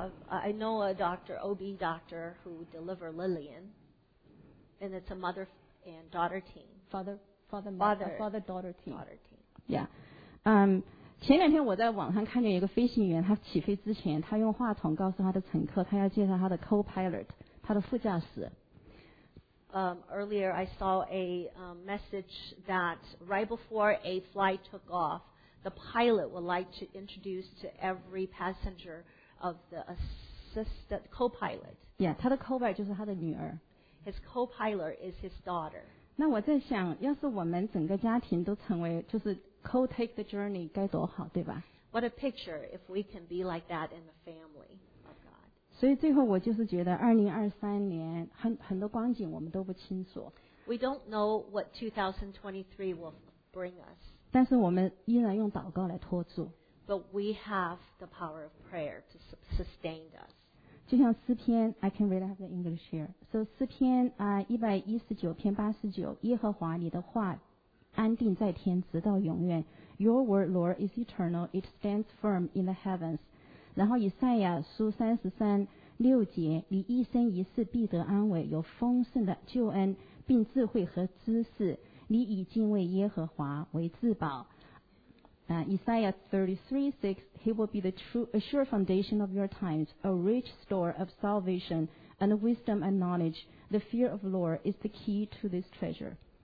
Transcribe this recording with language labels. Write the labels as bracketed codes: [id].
[en] I know a doctor, OB doctor, who deliver Lillian, and it's a mother and daughter team. Father-daughter team. Yeah. [zh] 前两天我在网上看见一个飞行员，他起飞之前，他用话筒告诉他的乘客，他要介绍他的 co-pilot， 他的副驾驶。 [en] Earlier, I saw a message that right before a flight took off, the pilot would like to introduce to every passenger of the assistant co-pilot. [zh] Yeah, 他的 co-pilot 就是他的女儿。 [en] His co-pilot is his daughter. [zh] 那我在想，要是我们整个家庭都成为就是 [en] co-take the journey， [zh] 该多好，对吧？ [en] What a picture if we can be like that in the family. [zh] So, 最后我就是觉得2023年很多光景我们都不清楚。 [en] We don't know what 2023 will bring us. [zh] 但是我们依然用祷告来托住。 [en] But we have the power of prayer to sustain us. [zh] 就像诗篇 [en] ,I can read out the English here. [zh] So, 诗篇119篇89,耶和华你的话安定在天直到永远。 [en] Your word, Lord, is eternal. It stands firm in the heavens. [zh] 然后以赛亚书33:6，你一生一世必得安慰，有丰盛的救恩，并智慧和知识，你以敬畏耶和华为至宝。 [en] 以赛亚33:6， He will be the sure foundation of your times, a rich store of salvation and wisdom and knowledge. The fear of the Lord is the key to this treasure.